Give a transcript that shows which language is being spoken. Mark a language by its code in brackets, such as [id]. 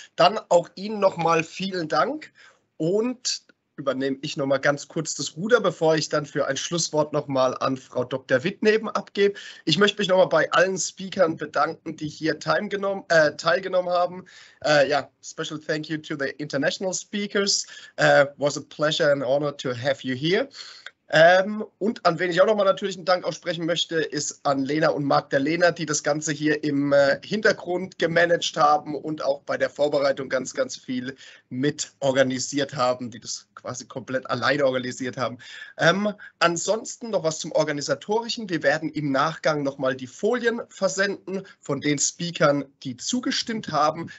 [de] Dann auch Ihnen nochmal vielen Dank und übernehme ich nochmal ganz kurz das Ruder, bevor ich dann für ein Schlusswort nochmal an Frau Dr. Wittneben abgebe. Ich möchte mich nochmal bei allen Speakern bedanken, die hier teilgenommen haben. [en] Special thank you to the international speakers. Was a pleasure and honor to have you here. [de] Und an wen ich auch nochmal natürlich einen Dank aussprechen möchte, ist an Lena und Magdalena, die das Ganze hier im Hintergrund gemanagt haben und auch bei der Vorbereitung ganz, ganz viel mit organisiert haben, die das quasi komplett alleine organisiert haben. Ansonsten noch was zum Organisatorischen. Wir werden im Nachgang nochmal die Folien versenden von den Speakern, die zugestimmt haben.